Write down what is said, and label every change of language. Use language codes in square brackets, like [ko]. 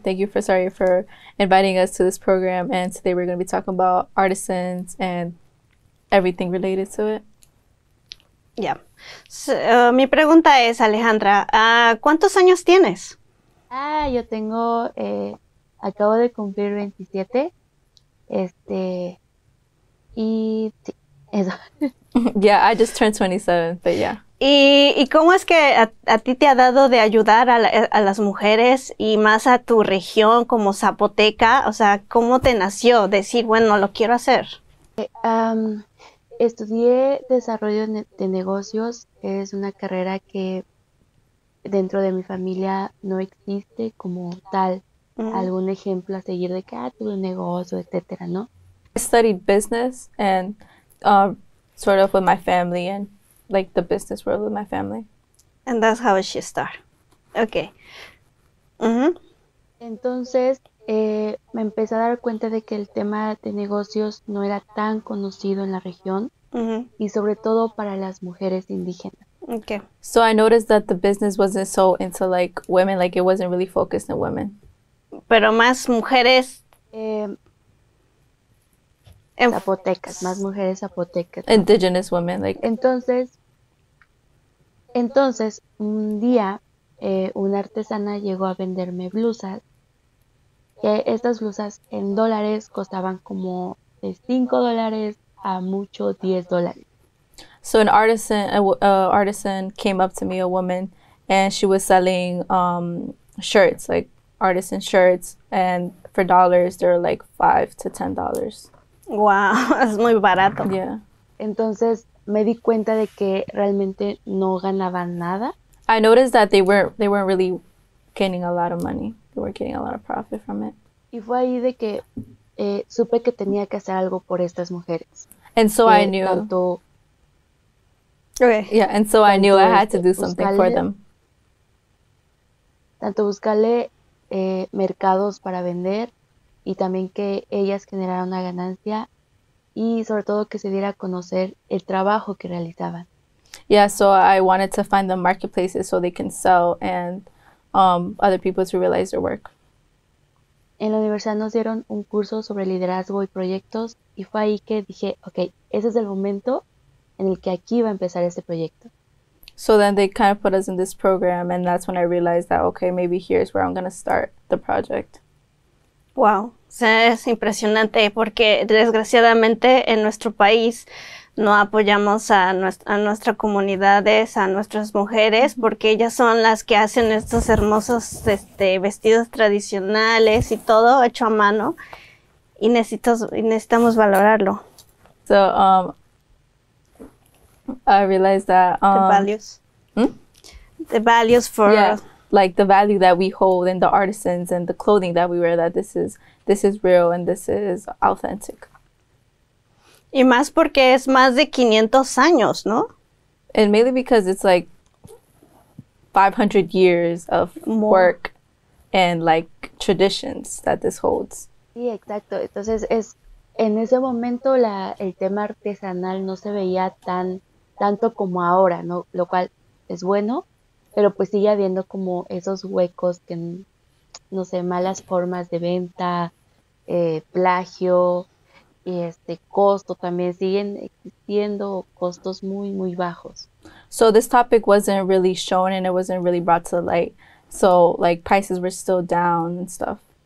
[en] Thank you for inviting us to this program, and today we're going to be talking about artisans and everything related to it. Yeah. [es] So, mi pregunta es, Alejandra, ¿cuántos años tienes? Yo tengo, acabo de cumplir 27. Sí, eso. [en] Yeah, I just turned 27, but yeah. [es] ¿Y cómo es que a ti te ha dado de ayudar a las mujeres y más a tu región como zapoteca? O sea, ¿cómo te nació decir, bueno, lo quiero hacer? Estudié desarrollo de negocios, es una carrera que dentro de mi familia no existe como tal, algún ejemplo a seguir de que tuve un negocio, etcétera, ¿no? [en] I studied business and sort of with my family and like the business world with my family. And that's how she started. Okay. Mm-hmm. [es] Entonces, me empecé a dar cuenta de que el tema de negocios no era tan conocido en la región. Mm-hmm. Y sobre todo para las mujeres indígenas. [en] Okay. So I noticed that the business wasn't so into like women, like it wasn't really focused on women. [es] Pero más mujeres zapotecas, más mujeres zapotecas. [en] Indigenous women, like. [es] Entonces un día una artesana llegó a venderme blusas. Estas blusas en dólares costaban como de $5. A mucho $10. [en] So an artisan artisan came up to me, a woman, and she was selling shirts, like artisan shirts, and for dollars they were like $5 to $10. [es] Wow, es muy barato. [en] Yeah. [es] Entonces me di cuenta de que realmente no ganaban nada. [en] I noticed that they weren't really gaining a lot of money. They weren't getting a lot of profit from it. [es] Y fue ahí de que supe que tenía que hacer algo por estas mujeres. [en] And so I knew. [es] Tanto, [en] okay. Yeah, and so I knew I had to do something for them. [es] Tanto buscarle mercados para vender y también que ellas generaran una ganancia y sobre todo que se diera a conocer el trabajo que realizaban. [en] Yeah, so I wanted to find the marketplaces so they can sell and other people to realize their work. [es] En la universidad nos dieron un curso sobre liderazgo y proyectos y fue ahí que dije, okay, ese es el momento en el que aquí va a empezar este proyecto. [en] So then they kind of put us in this program and that's when I realized that, okay, maybe here is where I'm going to start the project. [es] Wow, es impresionante porque desgraciadamente en nuestro país no apoyamos a nuestras comunidades, a nuestras mujeres, porque ellas son las que hacen estos hermosos vestidos tradicionales y todo hecho a mano. Y necesitamos valorarlo. [en] So, I realized that The values for like the value that we hold in the artisans and the clothing that we wear, that this is real and this is authentic. [es] y más porque es más de 500 años, ¿no? [en] And mainly because it's like 500 years of More. work and like traditions that this holds. [es] Sí, exacto. Entonces es en ese momento el tema artesanal no se veía tanto como ahora, ¿no? Lo cual es bueno, pero pues sigue habiendo como esos huecos que, no sé, malas formas de venta, plagio, y costo también, siguen existiendo costos muy, muy bajos. [en] So this topic wasn't really shown and it wasn't really brought to light. So like prices were still down and stuff.